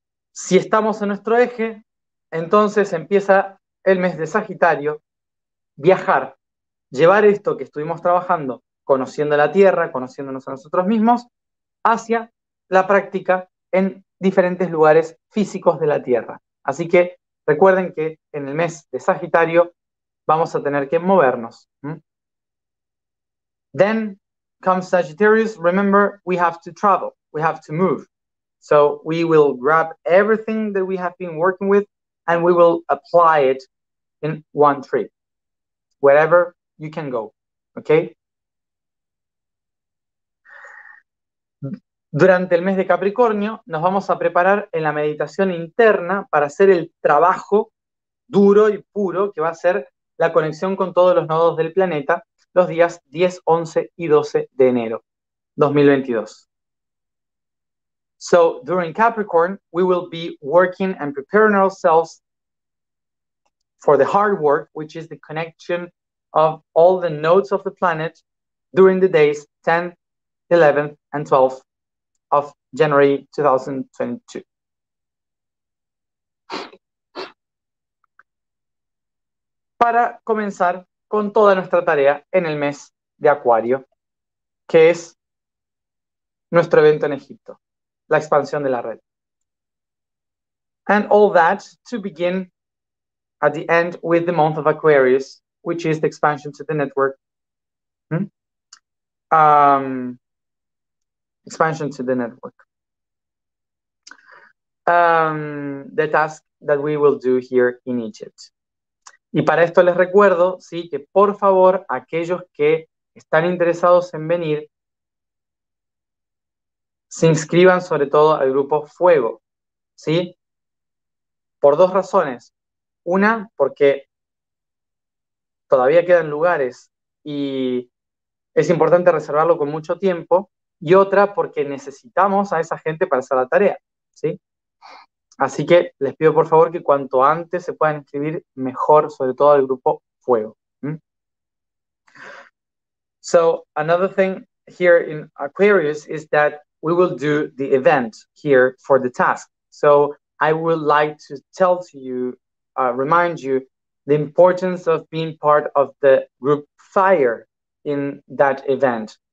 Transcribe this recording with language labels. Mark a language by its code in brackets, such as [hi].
[es] Si estamos en nuestro eje, entonces empieza el mes de Sagitario, viajar, llevar esto que estuvimos trabajando, conociendo la Tierra, conociéndonos a nosotros mismos, hacia la práctica en diferentes lugares físicos de la Tierra. Así que recuerden que en el mes de Sagitario vamos a tener que movernos. [en] Then comes Sagittarius. Remember, we have to travel, we have to move. So we will grab everything that we have been working with and we will apply it in one trip, wherever you can go, okay? [es] Durante el mes de Capricornio, nos vamos a preparar en la meditación interna para hacer el trabajo duro y puro que va a ser la conexión con todos los nodos del planeta los días 10, 11 y 12 de enero 2022. [en] So, during Capricorn, we will be working and preparing ourselves for the hard work, which is the connection of all the nodes of the planet during the days 10th, 11th, and 12th of January 2022. [es] Para comenzar con toda nuestra tarea en el mes de Acuario, que es nuestro evento en Egipto, la expansión de la red. [en] And all that to begin at the end with the month of Aquarius, which is the expansion to the network. Expansion to the network. The task that we will do here in Egypt. [es] Y para esto les recuerdo, sí, que por favor, aquellos que están interesados en venir, se inscriban sobre todo al grupo Fuego, ¿sí? Por dos razones. Una, porque todavía quedan lugares y es importante reservarlo con mucho tiempo, y otra porque necesitamos a esa gente para hacer la tarea, ¿sí? Así que les pido por favor que cuanto antes se puedan inscribir, mejor, sobre todo al grupo Fuego. [en] So, another thing here in Aquarius is that we will do the event here for the task. So, I would like to tell to you, remind you, the importance of being part of the group Fire in that event.